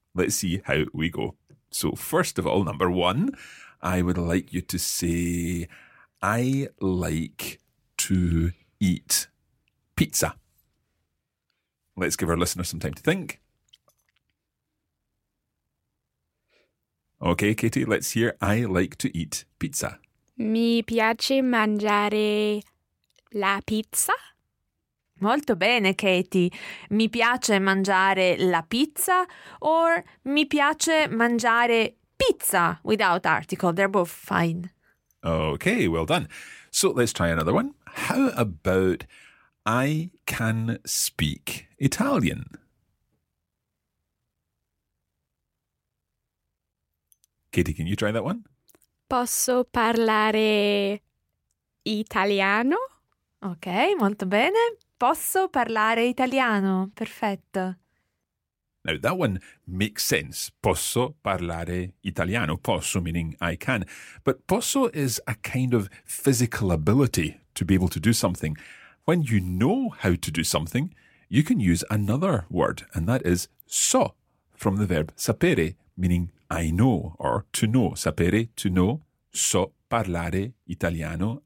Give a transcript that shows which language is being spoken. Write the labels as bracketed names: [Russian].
[English] Let's see how we go. So first of all, number one, I would like you to say, I like to eat pizza. Let's give our listeners some time to think. Okay, Katie, let's hear, I like to eat pizza. [Italian] Mi piace mangiare la pizza. Molto bene, Katie. Mi piace mangiare la pizza or mi piace mangiare pizza [English] without article. They're both fine. Okay, well done. So let's try another one. How about I can speak Italian? Katie, can you try that one? [Italian] Posso parlare italiano? Okay, molto bene. Posso parlare italiano? Perfetto. [English] Now, that one makes sense. [Italian] Posso parlare italiano? [English] Posso meaning I can. But posso is a kind of physical ability to be able to do something. When you know how to do something, you can use another word, and that is so, from the verb sapere, meaning I know or are to know. [Italian] Sapere, [English] to know. [Italian] So parlare italiano.